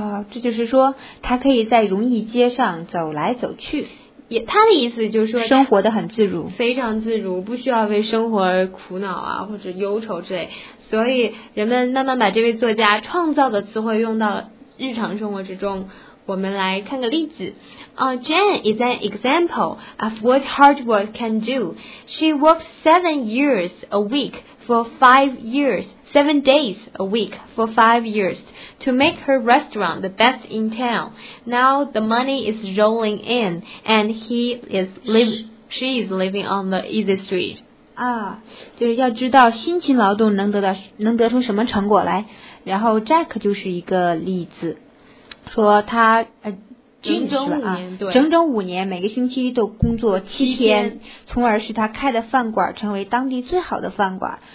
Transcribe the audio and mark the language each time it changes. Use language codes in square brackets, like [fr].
[zh] 这就是说他可以在容易街上走来走去。也，他的意思就是说生活得很自如，非常自如，不需要为生活而苦恼啊或者忧愁之类，所以人们慢慢把这位作家创造的词汇用到日常生活之中。我们来看个例子。 [en] Jane is an example of what hard work can do. She works 7 years a week for 5 years, 7 days a week for 5 years to make her restaurant the best in town. Now the money is rolling in and she is living on the easy street. [zh] 就是要知道辛勤劳动能得出什么成果来。然后 Jack 就是一个例子。说他整整五年每个星期都工作七天，从而使他开的饭馆成为当地最好的饭馆。